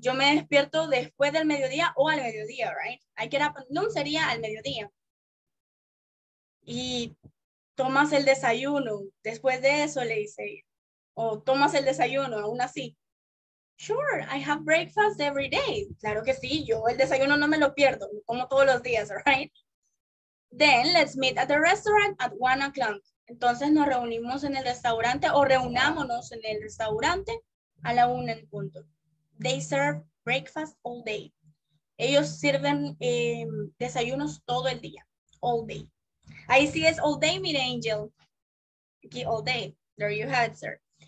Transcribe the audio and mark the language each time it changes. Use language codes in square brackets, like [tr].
[es] Yo me despierto después del mediodía o al mediodía, right? [en] I get up at noon [es] sería al mediodía. Y tomas el desayuno. Después de eso, le dice ella. O tomas el desayuno, aún así. [en] Sure, I have breakfast every day. [es] Claro que sí, yo el desayuno no me lo pierdo, como todos los días, right? [en] Then, let's meet at the restaurant at 1 o'clock. [es] Entonces, nos reunimos en el restaurante o reunámonos en el restaurante a la 1 en punto. [en] They serve breakfast all day. [es] Ellos sirven desayunos todo el día, [en] all day. [es] Ahí sí es [en] all day, [es] mire, [en] Angel. Aquí, all day. There you have it, sir.